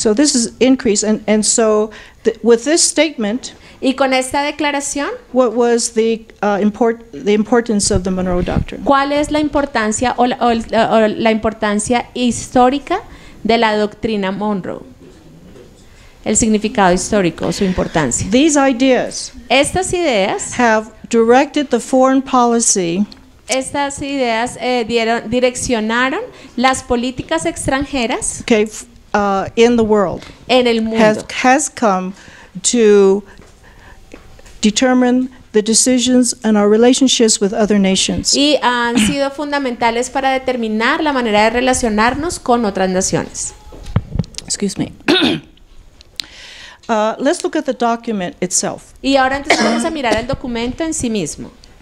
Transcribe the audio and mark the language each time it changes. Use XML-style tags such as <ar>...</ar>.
<en>So this is increase, and so with this statement.</en> <es>Y con esta declaración,</es> <en>what was the importance of the Monroe Doctrine?</en> <es>¿Cuál es la importancia o la importancia histórica de la doctrina Monroe? El significado histórico, su importancia.</es> <en>These ideas,</en> <es>estas ideas,</es> <en>have directed the foreign policy.</en> <es>Estas ideas direccionaron las políticas extranjeras.</es> <en>Okay, in the world.</en> <es>En el mundo.</es> <en>Has come to determine the decisions and our relationships with other nations.</en> <es>Y han sido fundamentales para determinar la manera de relacionarnos con otras naciones.</es> <en>Excuse me. Let's look at the document itself.</en> <es>Y ahora entonces vamos a mirar el documento en sí mismo.</es>